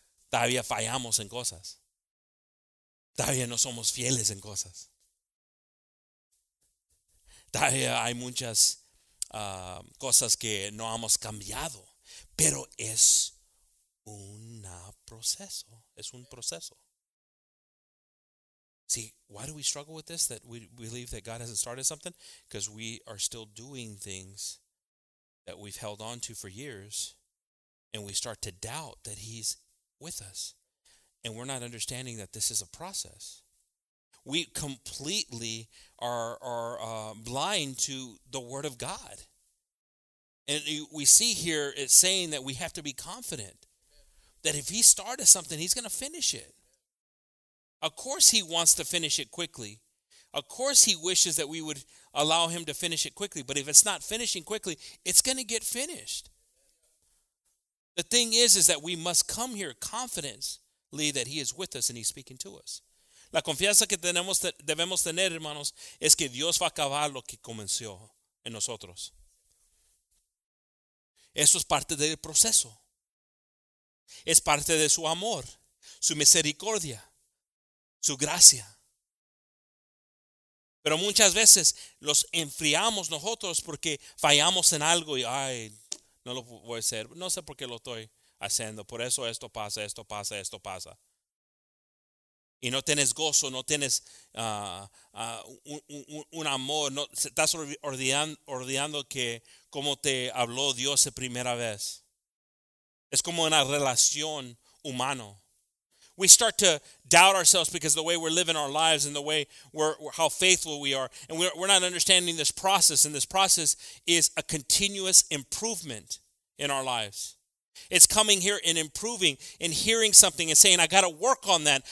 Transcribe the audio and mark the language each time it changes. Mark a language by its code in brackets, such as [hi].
[es] Todavía fallamos en cosas. Todavía no somos fieles en cosas. Todavía hay muchas cosas que no hemos cambiado. Pero es un proceso. Es un proceso. [en] See, why do we struggle with this, that we believe that God hasn't started something? Because we are still doing things that we've held on to for years, and we start to doubt that he's with us. And we're not understanding that this is a process. We completely are blind to the word of God. And we see here it's saying that we have to be confident that if he started something, he's going to finish it. Of course he wants to finish it quickly. Of course he wishes that we would allow him to finish it quickly. But if it's not finishing quickly, it's going to get finished. The thing is that we must come here confidently that he is with us and he's speaking to us. [es] La confianza que tenemos, debemos tener, hermanos, es que Dios va a acabar lo que comenzó en nosotros. Eso es parte del proceso. Es parte de su amor, su misericordia, su gracia. Pero muchas veces los enfriamos nosotros porque fallamos en algo y, ay, no lo voy a hacer. No sé por qué lo estoy haciendo. Por eso esto pasa, esto pasa, esto pasa. Y no tienes gozo, no tienes un amor. No, estás olvidando que cómo te habló Dios la primera vez. Es como una relación humana. [en] We start to doubt ourselves because the way we're living our lives and the way we're how faithful we are. And we're not understanding this process. And this process is a continuous improvement in our lives. It's coming here and improving and hearing something and saying, I got to work on that.